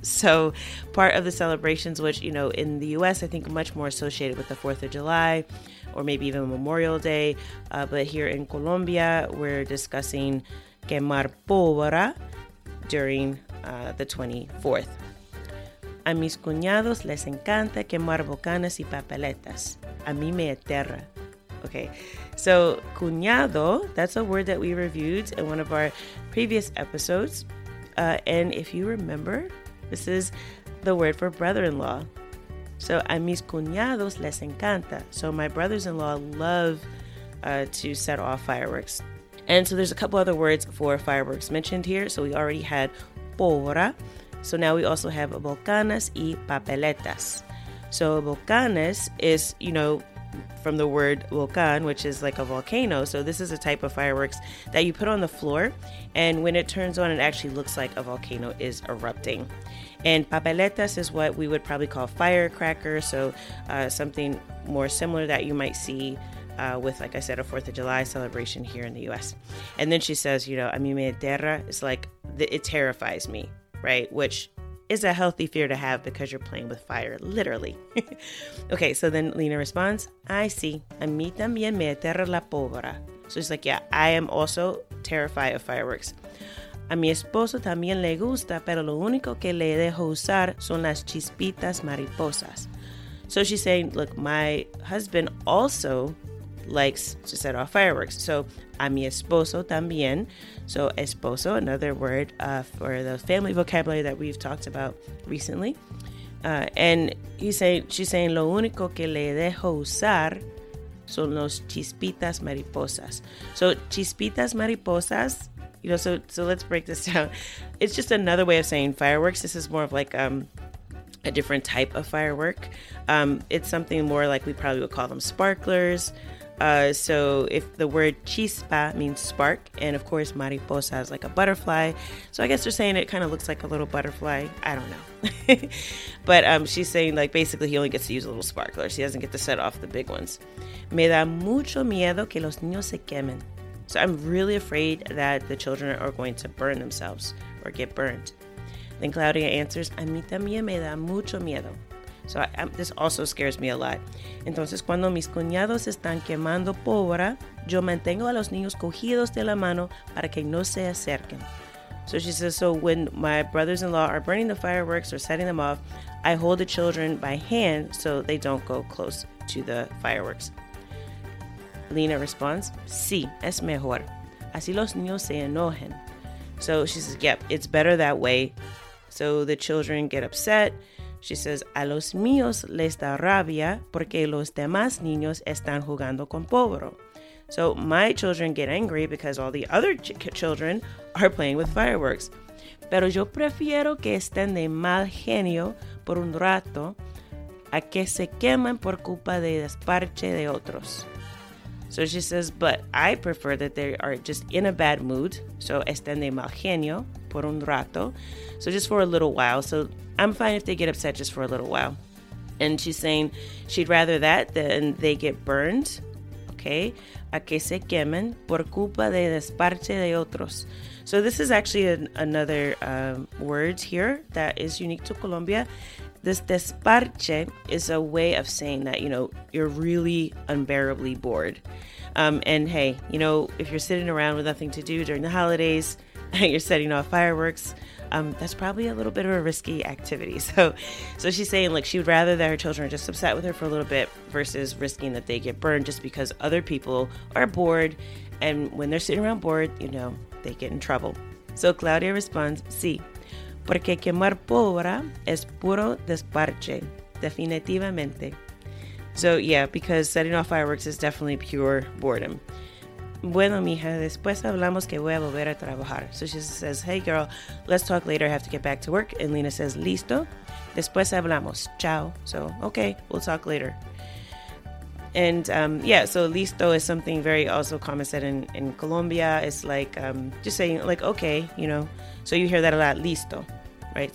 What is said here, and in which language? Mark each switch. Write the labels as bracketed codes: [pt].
[en] So part of the celebrations, which, you know, in the U.S., I think much more associated with the 4th of July or maybe even Memorial Day. But here in Colombia, we're discussing [es] quemar pólvora [en] during the 24th. [es] A mis cuñados les encanta quemar bocanas y papeletas. A mí me aterra. [en] Okay, so cuñado, that's a word that we reviewed in one of our previous episodes. And if you remember, this is the word for brother-in-law. [es] So a mis cuñados les encanta. [en] So my brothers-in-law love to set off fireworks. And so there's a couple other words for fireworks mentioned here. So we already had pólvora. So now we also have [es] bocanas y papeletas. [en] So bocanas is, you know, from the word volcán, which is like a volcano. So this is a type of fireworks that you put on the floor, and when it turns on, it actually looks like a volcano is erupting. And papeletas is what we would probably call firecracker, so something more similar that you might see with, like I said, a 4th of July celebration here in the U.S. And then she says, you know, [es] a mí me aterra, [en] it's like, it terrifies me, right? Which is a healthy fear to have because you're playing with fire, literally. Okay, so then Lena responds, I see. [es] A mí también me aterra la pólvora. [en] So she's like, yeah, I am also terrified of fireworks. [es] A mi esposo también le gusta, pero lo único que le dejo usar son las chispitas mariposas. [en] So she's saying, look, my husband also likes to set off fireworks. So [es] a mi esposo también. [en] So esposo, another word for the family vocabulary that we've talked about recently. And she's saying [es] lo único que le dejo usar son los chispitas mariposas. [en] So chispitas mariposas, you know, so let's break this down. It's just another way of saying fireworks. This is more of like a different type of firework. It's something more like we probably would call them sparklers. So if the word chispa means spark, and of course mariposa is like a butterfly, so I guess they're saying it kind of looks like a little butterfly. I don't know. But she's saying, like, basically he only gets to use a little sparkler. She doesn't get to set off the big ones. [es] Me da mucho miedo que los niños se quemen. [en] So I'm really afraid that the children are going to burn themselves or get burned. Then Claudia answers, [es] a mí también me da mucho miedo. [en] So this also scares me a lot. [es] Entonces, cuando mis cuñados están quemando pólvora, yo mantengo a los niños cogidos de la mano para que no se acerquen. [en] So she says, so when my brothers-in-law are burning the fireworks or setting them off, I hold the children by hand so they don't go close to the fireworks. Lena responds, [es] sí, es mejor. Así los niños se enojen. [en] So she says, yep, it's better that way. So the children get upset. She says, [es] a los míos les da rabia porque los demás niños están jugando con pólvora. [en] So my children get angry because all the other children are playing with fireworks. [es] Pero yo prefiero que estén de mal genio por un rato a que se quemen por culpa de desparche de otros. [en] So she says, but I prefer that they are just in a bad mood. [es] So estén de mal genio por un rato. [en] So just for a little while. So I'm fine if they get upset just for a little while. And she's saying she'd rather that than they get burned. Okay. [es] A que se quemen por culpa de desparche de otros. [en] So this is actually another word here that is unique to Colombia. This desparche is a way of saying that, you know, you're really unbearably bored. And hey, you know, if you're sitting around with nothing to do during the holidays and you're setting off fireworks, that's probably a little bit of a risky activity. So she's saying, like, she would rather that her children are just upset with her for a little bit versus risking that they get burned just because other people are bored. And when they're sitting around bored, you know, they get in trouble. So Claudia responds, sí. [es] Porque quemar pólvora es puro desparche, definitivamente. [en] So, yeah, because setting off fireworks is definitely pure boredom. [es] Bueno, mija, después hablamos que voy a volver a trabajar. [en] So she says, hey, girl, let's talk later. I have to get back to work. And Lena says, listo. [es] Después hablamos. Chao. [en] So, okay, we'll talk later. And, yeah, so listo is something very also common said in Colombia. It's like just saying, like, okay, you know. So you hear that a lot, listo, right?